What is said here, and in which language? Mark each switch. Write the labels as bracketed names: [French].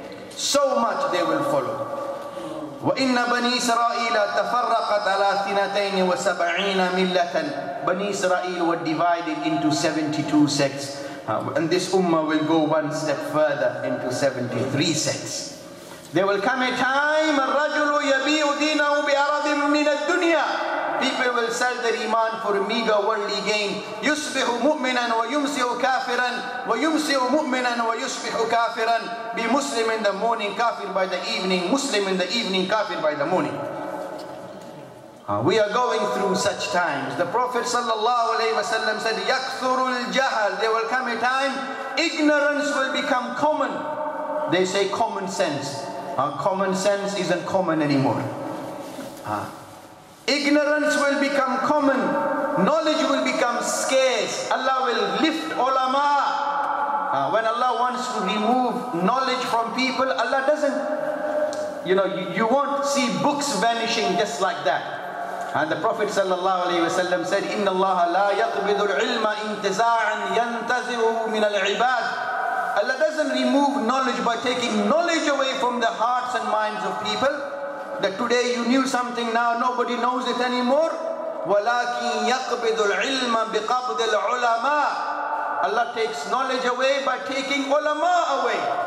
[English] So much they will follow. [Arabic] وَإِنَّ بَنِي إِسْرَائِيلَ تَفَرَّقَتْ عَلَىٰ ثِنَتَيْنِ وَسَبْعِينَ مِلَّةً. [English] Bani Israel were divided into 72 sects. And this ummah will go one step further into 73 sects. There will come a time, [Arabic] الرَّجُلُ يَبِيعُ دِينَهُ بِأَرَضٍ مِّنَ الدُّنْيَا. [English] People will sell their iman for a meager worldly gain. [Arabic] يُصْبِحُ مُؤْمِنًا وَيُمْسِحُ كَافِرًا وَيُمْسِحُ مُؤْمِنًا وَيُصْبِحُ كَافِرًا. [English] Be Muslim in the morning, kafir by the evening. Muslim in the evening, kafir by the morning. We are going through such times. The Prophet sallallahu alayhi wa sallam said, [Arabic] يَكْثُرُ الْجَهَلُ. [English] There will come a time, ignorance will become common. They say common sense. Common sense isn't common anymore. Ignorance will become common. Knowledge will become scarce. Allah will lift ulama. When Allah wants to remove knowledge from people, Allah doesn't. You know, you won't see books vanishing just like that. And the Prophet sallallahu alayhi wa sallam said, [Arabic] إِنَّ اللَّهَ لَا يَقْبِضُ الْعِلْمَ إِنْتِزَاعًا يَنْتَزِعُهُ مِنَ الْعِبَادِ. [English] Allah doesn't remove knowledge by taking knowledge away from the hearts and minds of people. That today you knew something, now nobody knows it anymore. [Arabic] وَلَكِنْ يَقْبِضُ الْعِلْمَ بِقَبْضِ الْعُلَمَاء. [English] Allah takes knowledge away by taking ulama away.